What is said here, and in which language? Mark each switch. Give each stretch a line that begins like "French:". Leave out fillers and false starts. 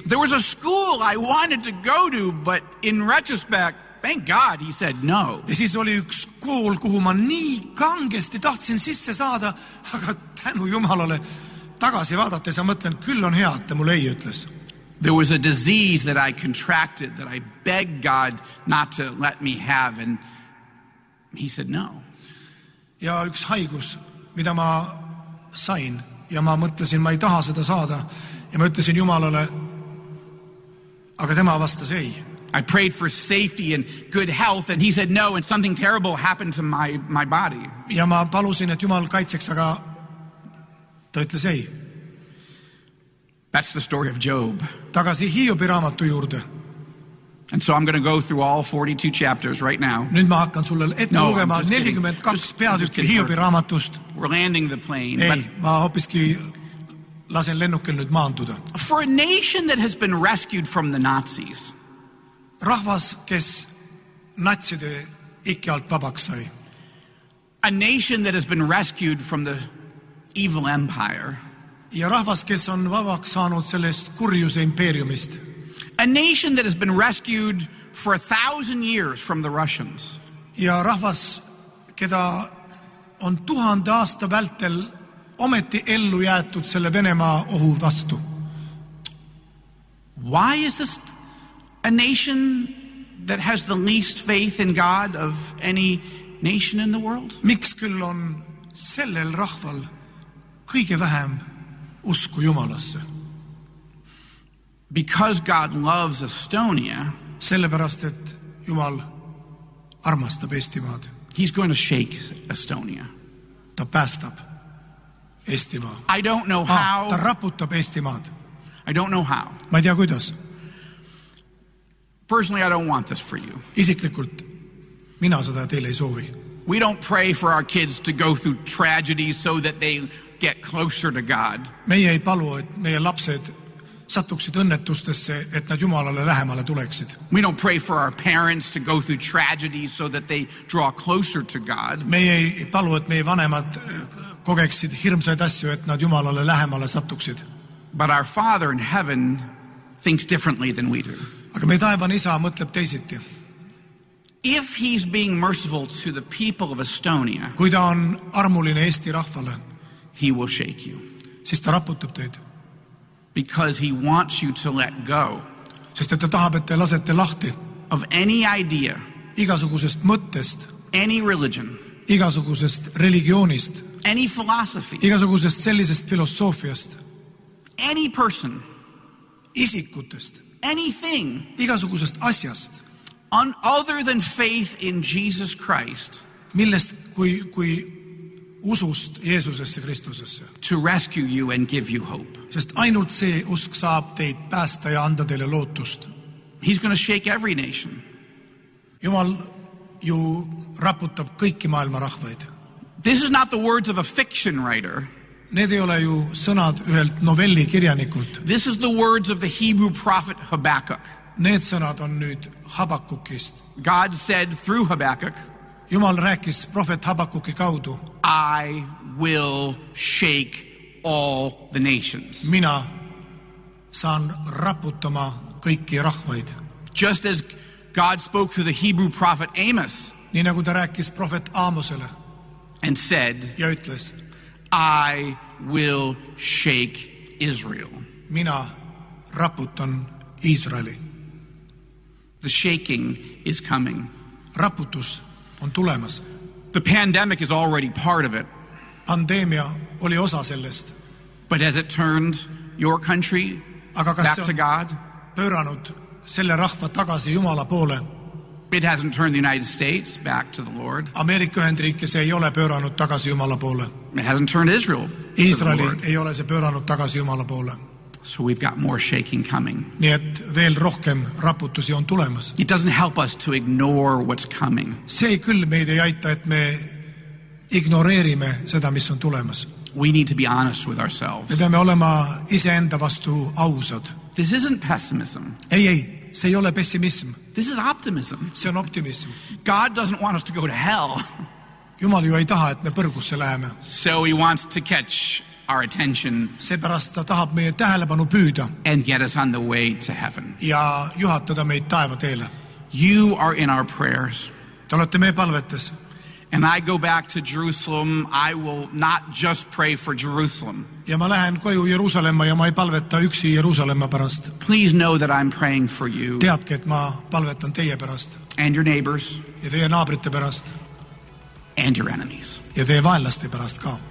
English: There was a school I wanted to go to, but in retrospect, thank God he said no.
Estonian: Ja siis oli üks kool, kuhu ma nii kangesti tahtsin sisse saada, aga tänu Jumalale tagasi vaadates ja mõtlen, küll on hea, et ta mulle ei ütles.
English: There was a disease that I contracted that I begged God not to let me have and he said no.
Estonian: Ja üks haigus, mida ma sain ja ma mõtlesin, ma ei taha seda saada ja ma ütlesin Jumalale, aga tema vastas ei.
English: I prayed for safety and good health and he said no and something terrible happened to my body.
Estonian: Ja ma palusin, et Jumal kaitseks, aga ta ütles ei.
English: That's the story of Job.
Estonian: Tagasi Hiobi raamatu juurde.
English: And so I'm going to go through all 42 chapters right now.
Estonian: Nüüd ma hakkan sulle ette lugema 42 peatükki Hiobi raamatust.
English: We're landing the plane.
Estonian: Ei, ma hoopiski lasen lennukil nüüd maanduda.
English: For a nation that has been rescued from the Nazis.
Estonian: Rahvas, kes natside ikki alt vabaks sai.
English: A nation that has been rescued from the evil empire.
Estonian: Ja rahvas, kes on vabaks saanud sellest kurjuse impeeriumist.
English: A nation that has been rescued for 1,000 years from the Russians.
Estonian: Ja rahvas, keda on 1,000 aasta vältel ometi ellu jäetud selle Venemaa ohu vastu.
English: Why is this a nation that has the least faith in God of any nation in the world?
Estonian: Miks küll on sellel rahval kõige vähem usku Jumalasse?
English: Because God loves Estonia,
Estonian: sellepärast, et Jumal armastab Eestimaad.
English: He's going to shake Estonia.
Estonian: Ta päästab Eestimaa.
English: I don't know how.
Estonian: Ta raputab Eestimaad.
English: I don't know how.
Estonian: Ma ei tea, kuidas.
English: Personally, I don't want this for you.
Estonian: Isiklikult, mina seda teile ei soovi.
English: We don't pray for our kids to go through tragedy so that they get closer to God.
Estonian: Meie ei palu, et meie lapsed satuksid õnnetustesse, et nad Jumalale lähemale tuleksid.
English: We don't pray for our parents to go through tragedy so that they draw closer to God.
Estonian: Meie ei palu, et meie vanemad kogeksid hirmsaid asju, et nad Jumalale lähemale satuksid.
English: But our Father in heaven thinks differently than we do.
Estonian: Aga meie taevane isa mõtleb teisiti.
English: If he's being merciful to the people of Estonia,
Estonian: kui ta on armuline Eesti rahvale,
English: he will shake you.
Estonian: Siis ta raputab teid.
English: Because he wants you to let go.
Estonian: Sest et ta tahab, et te lasete lahti.
English: Of any idea.
Estonian: Igasugusest mõttest.
English: Any religion.
Estonian: Igasugusest religioonist.
English: Any philosophy.
Estonian: Igasugusest sellisest filosoofiast.
English: Any person.
Estonian: Isikutest.
English: Anything.
Estonian: Igasugusest asjast.
English: On other than faith in Jesus Christ.
Estonian: Millest kui usust Jeesusesse Kristusesse.
English: To rescue you and give you hope.
Estonian: Sest ainult see usk saab teid päästa ja anda teile lootust.
English: He's going to shake every nation.
Estonian: Jumal ju raputab kõiki maailma rahvaid.
English: This is not the words of a fiction writer.
Estonian: Need ei ole ju sõnad ühelt novelli kirjanikult.
English: This is the words of the Hebrew prophet Habakkuk.
Estonian: Need sõnad on nüüd Habakkukist.
English: God said through Habakkuk.
Estonian: Jumal rääkis prohvet Habakkuki kaudu.
English: I will shake all the nations.
Estonian: Mina saan raputama kõiki rahvaid.
English: Just as God spoke to the Hebrew prophet Amos.
Estonian: Nii nagu ta rääkis prohvet Amosele.
English: And said,
Estonian: ja ütles,
English: I will shake Israel.
Estonian: Mina raputan Israeli.
English: The shaking is coming.
Estonian: Raputus on tulemas.
English: The pandemic is already part of it.
Estonian: Pandemia oli osa sellest.
English: But has it turned your country
Estonian: Aga
English: back to God?
Estonian: Pööranud selle rahva tagasi Jumala poole.
English: It hasn't turned the United States back to the Lord.
Estonian: Ameerika Ühendriikes ei ole pööranud tagasi Jumala poole.
English: It hasn't turned Israel.
Estonian: Israeli ei ole see pööranud tagasi Jumala poole.
English: So we've got more shaking coming.
Estonian: Nii et veel rohkem raputusi on tulemas.
English: It doesn't help us to ignore what's coming.
Estonian: See küll meid ei aita, et me ignoreerime seda, mis on tulemas.
English: We need to be honest with ourselves.
Estonian: Me peame olema ise enda vastu ausad.
English: This isn't pessimism.
Estonian: Ei, see ei ole pessimism.
English: This is optimism.
Estonian: See on optimism.
English: God doesn't want us to go to hell.
Estonian: Jumal ju ei taha, et me põrgusse läheme.
English: So he wants to catch our attention.
Estonian: Seepärast ta tahab meie tähelepanu püüda.
English: And get us on the way to heaven.
Estonian: Ja juhatada meid taeva teele.
English: You are in our prayers.
Estonian: Te olete meie palvetes.
English: And I go back to Jerusalem, I will not just pray for Jerusalem.
Estonian: Ja ma lähen koju Jerusalemma ja ma ei palveta üksi Jerusalemma pärast.
English: Please know that I'm praying for you.
Estonian: Teadke, et ma palvetan teie pärast.
English: And your neighbors.
Estonian: Ja teie naabrite pärast.
English: And your enemies.
Estonian: Ja teie vaenlaste pärast ka.